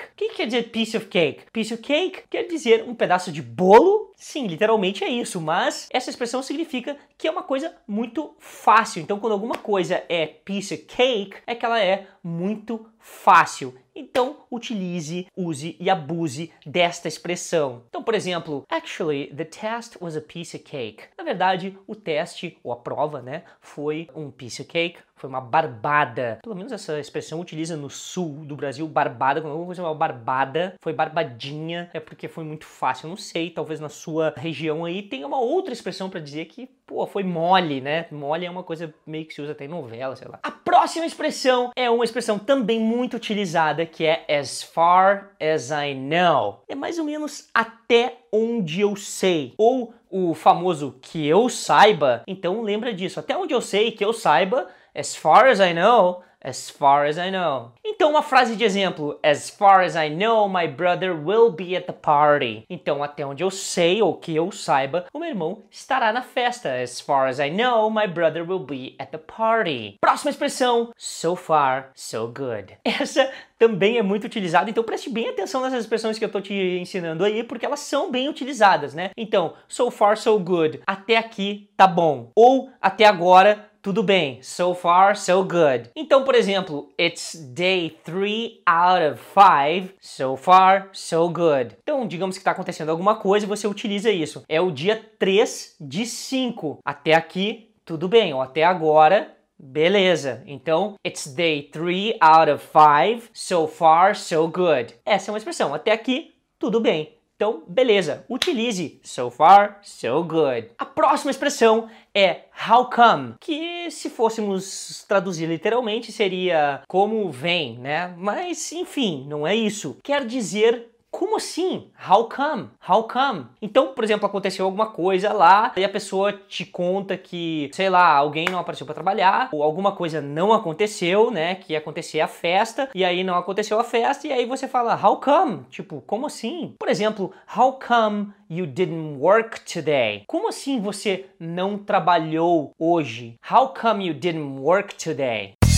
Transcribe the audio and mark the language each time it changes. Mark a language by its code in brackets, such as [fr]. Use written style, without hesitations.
[pt] O que quer dizer piece of cake? Piece of cake quer dizer um pedaço de bolo. Sim, literalmente é isso, mas essa expressão significa que é uma coisa muito fácil. Então, quando alguma coisa é piece of cake, é que ela é muito fácil. Então, utilize, use e abuse desta expressão. Então, por exemplo, [en] actually, the test was a piece of cake. [pt] Na verdade, o teste, ou a prova, né, foi um piece of cake. Foi uma barbada. Pelo menos essa expressão utiliza no sul do Brasil, barbada. Quando alguma coisa é uma barbada, foi barbadinha, é porque foi muito fácil. Não sei, talvez na sua região aí tenha uma outra expressão pra dizer que, pô, foi mole, né? Mole é uma coisa meio que se usa até em novela, sei lá. A próxima expressão é uma expressão também muito utilizada, que é as far as I know. É mais ou menos até onde eu sei. Ou o famoso que eu saiba. Então lembra disso. Até onde eu sei, que eu saiba. [en] As far as I know, as far as I know. [pt] Então, uma frase de exemplo. [en] As far as I know, my brother will be at the party. [pt] Então, até onde eu sei, ou que eu saiba, o meu irmão estará na festa. [en] As far as I know, my brother will be at the party. [pt] Próxima expressão. [en] So far, so good. [pt] Essa também é muito utilizada. Então, preste bem atenção nessas expressões que eu tô te ensinando aí, porque elas são bem utilizadas, né? Então, so far, so good. Até aqui, tá bom. Ou, até agora, tudo bem, so far, so good. Então, por exemplo, [en] it's day 3 out of 5, so far, so good. [pt] Então, digamos que está acontecendo alguma coisa e você utiliza isso. É o dia 3 de 5. Até aqui, tudo bem. Ou até agora, Beleza, então, [en] it's day 3 out of 5, so far, so good. [pt] Essa é uma expressão, até aqui, tudo bem. Então, beleza, utilize, so far, so good. A próxima expressão é how come, que se fôssemos traduzir literalmente seria como vem, né? Mas, enfim, não é isso. Quer dizer, como assim? [en] How come? How come? [pt] Então, por exemplo, aconteceu alguma coisa lá e a pessoa te conta que, sei lá, alguém não apareceu pra trabalhar ou alguma coisa não aconteceu, né? Que ia acontecer a festa e aí não aconteceu a festa e aí você fala, how come? Tipo, como assim? [en] Por exemplo, how come you didn't work today? [pt] Como assim você não trabalhou hoje? [en] How come you didn't work today?